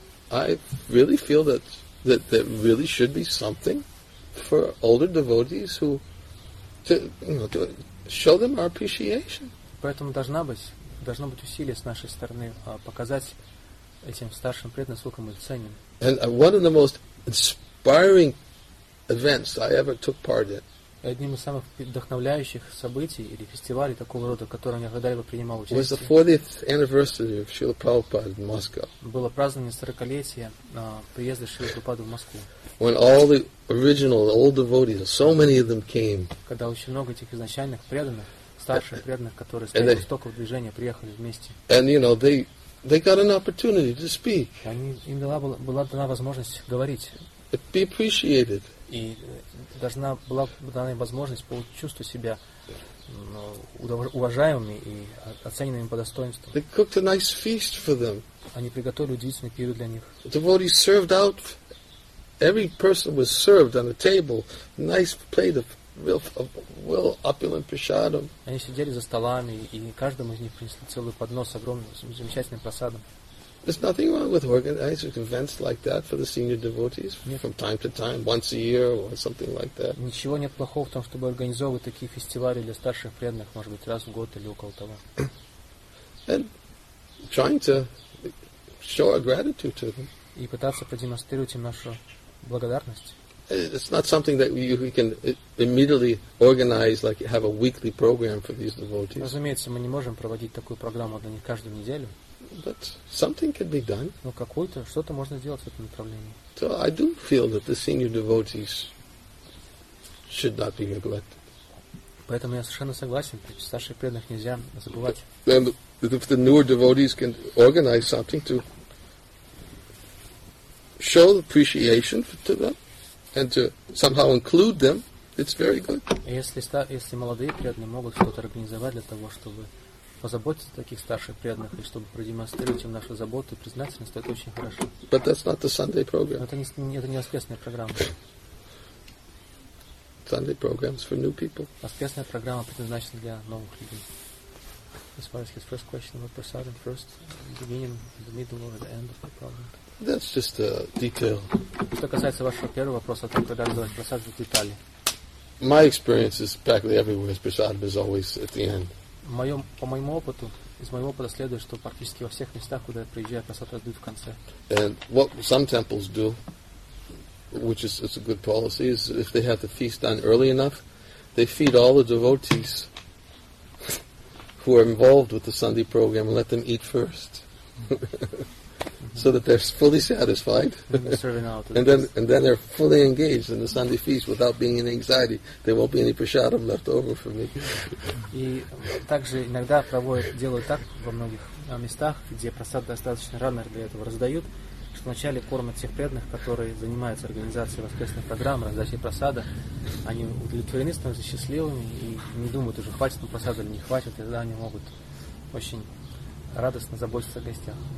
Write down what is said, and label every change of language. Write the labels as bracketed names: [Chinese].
[English] I really feel that there really should be something for older devotees who to show them our appreciation. [Russian] Поэтому должно быть усилие с нашей стороны показать этим старшим преданным, насколько мы их ценим. [English] And one of the most inspiring events I ever took part in. [Russian] Одним из самых вдохновляющих событий или фестивалей такого рода, которые я когда-либо принимал участие. [English] Was the 40th anniversary of Srila Prabhupada in Moscow. [Russian] Было празднование 40-летия приезда Шрилы Прабхупады в Москву. [English] When all the original old devotees, so many of them came. [Russian] Когда очень много этих изначальных преданных старших преданных, которые с истоков движения приехали вместе. [English] And you know, they got an opportunity to speak. [Russian] Они, им была дана возможность говорить. [English] Be appreciated. [Russian] И должна была дана возможность чувствовать себя уважаемыми и оцененными по достоинству. [English] They cooked a nice feast for them. [Russian] Они приготовили удивительный пир для них. [English] The devotees served out. Every person was served on a table. Nice plate of well opulent prasadam. [Russian] Они сидели за столами, и каждому из них принесли целый поднос огромным замечательным просадом. [English] There's nothing wrong with organizing events like that for the senior devotees from time to time, once a year or something like that. [Russian] Ничего нет плохого в том, чтобы организовывать такие фестивали для старших преданных, может быть, раз в год или около того. [English] And trying to show our gratitude to them. [Russian] И пытаться продемонстрировать им нашу благодарность. [English] It's not something that we can immediately organize, like have a weekly program for these devotees. [Russian] Разумеется, мы не можем проводить такую программу для них каждую неделю. [English] But something can be done. [Russian] Но какое-то что-то можно сделать в этом направлении. [English] So I do feel that the senior devotees should not be neglected. [Russian] Поэтому я совершенно согласен, старших преданных нельзя забывать. [English] And if the newer devotees can organize something to show appreciation to them. And to somehow include them, it's very good. [Russian] Если молодые преданные могут что-то организовать для того, чтобы позаботиться о таких старших преданных, и чтобы продемонстрировать им нашу заботу и признательность, это очень хорошо. [English] But that's not the Sunday program. [Russian] Но это не воскресная программа. [English] Sunday programs for new people. [Russian] Воскресная программа предназначена для новых людей. [English] As far as his first question about prasadam, first, the beginning, the middle, or the end of the program. That's just a detail. [Russian] Что касается вашего первого вопроса о том, когда раздавать прасад, это детали. [English] My experience is practically everywhere. Prasadam is always at the end. [Russian] Из моего опыта следует, что практически во всех местах, куда я приезжаю, прасад раздают в конце. [English] And what some temples do, which is it's a good policy, is if they have the feast done early enough, they feed all the devotees who are involved with the Sunday program and let them eat first, so that they're fully satisfied. and then they're fully engaged in the Sunday feast without being in anxiety. There won't be any prasadam left over for me. [Russian] И также иногда делают так во многих местах, где прасад достаточно рано для этого раздают, что вначале кормят всех преданных, которые занимаются организацией воскресных программ, раздачей просада. Они удовлетворены, становятся счастливыми и не думают уже, хватит нам просада или не хватит, и тогда они могут очень радостно заботиться о гостях.